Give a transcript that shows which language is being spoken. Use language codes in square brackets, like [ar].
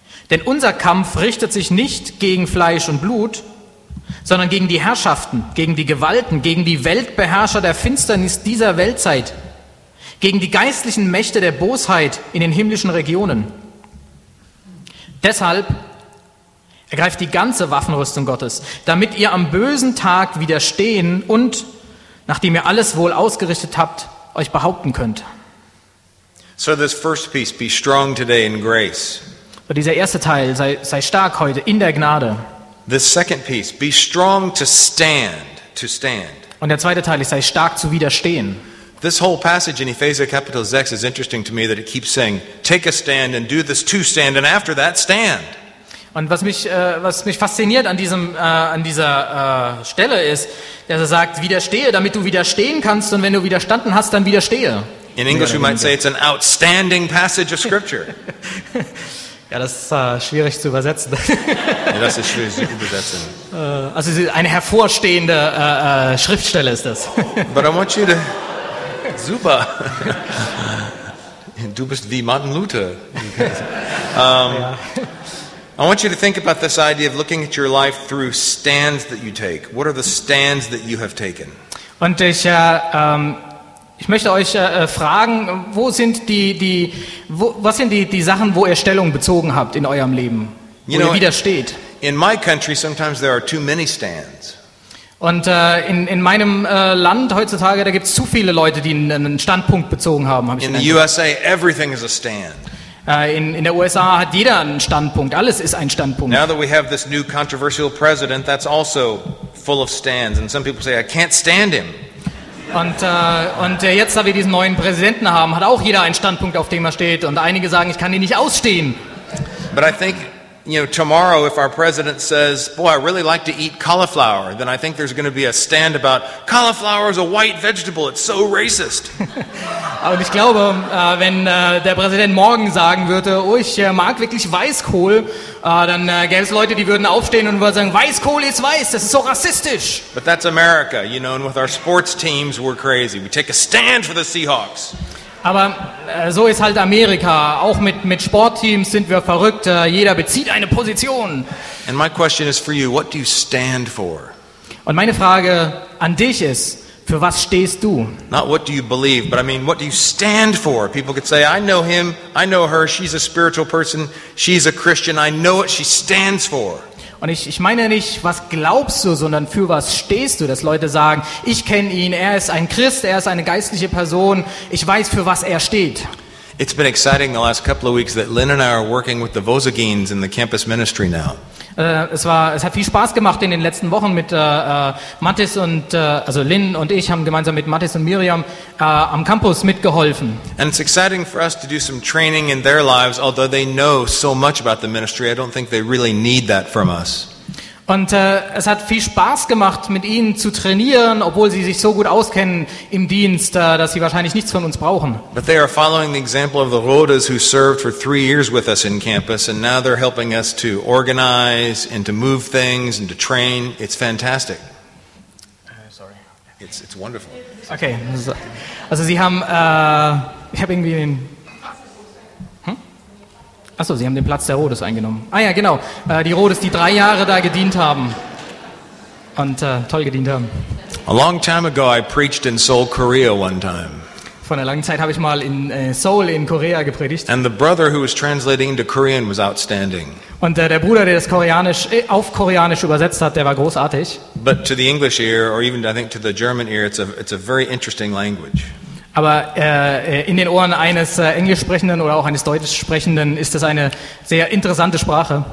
[de] Denn unser Kampf richtet sich nicht gegen Fleisch und Blut, sondern gegen die Herrschaften, gegen die Gewalten, gegen die Weltbeherrscher der Finsternis dieser Weltzeit, gegen die geistlichen Mächte der Bosheit in den himmlischen Regionen. Deshalb ergreift die ganze Waffenrüstung Gottes, damit ihr am bösen Tag widerstehen und, nachdem ihr alles wohl ausgerichtet habt, euch behaupten könnt. [en] So this first piece, be strong today in grace. [de] Und dieser erste Teil, sei stark heute in der Gnade. [en] This second piece, be strong to stand. [de] Und der zweite Teil, sei stark zu widerstehen. [en] This whole passage in Ephesians chapter 6 is interesting to me that it keeps saying, take a stand and do this to stand and after that stand. [de] Und was mich fasziniert an dieser Stelle ist, dass er sagt, widerstehe, damit du widerstehen kannst, und wenn du widerstanden hast, dann widerstehe. [en] In English we might say it's an outstanding passage of scripture. [de] Ja, das ist schwierig zu übersetzen. Das ist schwierig zu übersetzen. Also eine hervorstehende Schriftstelle ist das. [en] But I want you to... [de] Super. Du bist wie Martin Luther. [en] I want you to think about this idea of looking at your life through stands that you take. What are the stands that you have taken? [de] Und ich möchte euch fragen, was sind die Sachen, wo ihr Stellung bezogen habt in eurem Leben, wo ihr widersteht? [en] In my country sometimes there are too many stands. [de] Und in meinem Land heutzutage, da gibt's zu viele Leute, die einen Standpunkt bezogen haben, habe ich [en] in the USA everything is a stand. [de] In der USA hat jeder einen Standpunkt. Alles ist ein Standpunkt. [en] Now that we have this new controversial president, that's also full of stands. And some people say, I can't stand him. [de] Und jetzt, da wir diesen neuen Präsidenten haben, hat auch jeder einen Standpunkt, auf dem er steht. Und einige sagen, ich kann ihn nicht ausstehen. [en] But I think, you know, tomorrow, if our president says, boy, I really like to eat cauliflower, then I think there's going to be a stand about cauliflower is a white vegetable. It's so racist. [de] Und ich glaube, wenn der Präsident morgen sagen würde, oh, ich mag wirklich Weißkohl, dann gäbe es Leute, die würden aufstehen und würden sagen, Weißkohl ist weiß, das ist so rassistisch. [en] But that's America, you know, and with our sports teams, we're crazy. We take a stand for the Seahawks. [de] Aber so ist halt Amerika. Auch mit Sportteams sind wir verrückt. Jeder bezieht eine Position. [en] And my question is for you, what do you stand for? [de] Und meine Frage an dich ist, für was stehst du? [en] Not what do you believe, but I mean, what do you stand for? People could say, I know him, I know her, she's a spiritual person, she's a Christian, I know what she stands for. [de] Und ich meine nicht, was glaubst du, sondern für was stehst du, dass Leute sagen, ich kenne ihn, er ist ein Christ, er ist eine geistliche Person, ich weiß, für was er steht. [en] It's been exciting the last couple of weeks that Lynn and I are working with the Vosagines in the campus ministry now. [de] Es hat viel Spaß gemacht in den letzten Wochen mit Mathis und also Lynn und ich haben gemeinsam mit Mathis und Miriam am Campus mitgeholfen. [en] And it's exciting for us to do some training in their lives, although they know so much about the ministry, I don't think they really need that from us. [de] Und es hat viel Spaß gemacht, mit ihnen zu trainieren, obwohl sie sich so gut auskennen im Dienst, dass sie wahrscheinlich nichts von uns brauchen. [en] But they are following the example of the Rodas, who served for 3 years with us in campus, and now they're helping us to organize and to move things and to train. It's fantastic. Sorry. It's wonderful. [de] Okay. Also sie haben, ich habe irgendwie den... Achso, sie haben den Platz der Rhodes eingenommen. Ah ja, genau. Die Rhodes, die 3 Jahre da gedient haben. Und toll gedient haben. [en] A long time ago I preached in Seoul, Korea one time. [de] Vor einer langen Zeit habe ich mal in Seoul in Korea gepredigt. [en] And the brother who was translating into Korean was outstanding. [de] Und der Bruder, der das Koreanisch auf Koreanisch übersetzt hat, der war großartig. [en] But to the English ear, or even I think to the German ear, it's a very interesting language. [de] Aber in den Ohren eines Englisch sprechenden oder auch eines Deutsch sprechenden ist das eine sehr interessante Sprache.